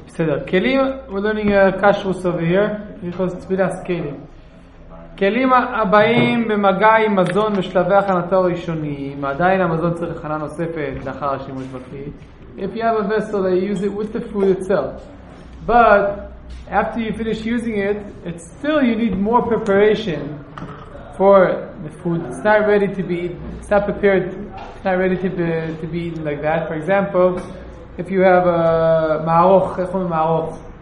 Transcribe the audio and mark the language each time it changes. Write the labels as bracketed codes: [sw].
[en] בסדר, כלים, we're learning a kashrus over here, because it's with us kelim. [he] כלים הבאים במגע עם מזון בשלבי הכנתו הראשוניים, עדיין המזון צריך הכנה נוספת לאחר השימוש בכלי. [en] If you have a vessel, they use it with the food itself. But after you finish using it, it's still you need more preparation for the food. It's not ready to be eaten. It's not prepared, it's not ready to be eaten like that. For example, if you have a ma'aruch, what do you call ma'aruch?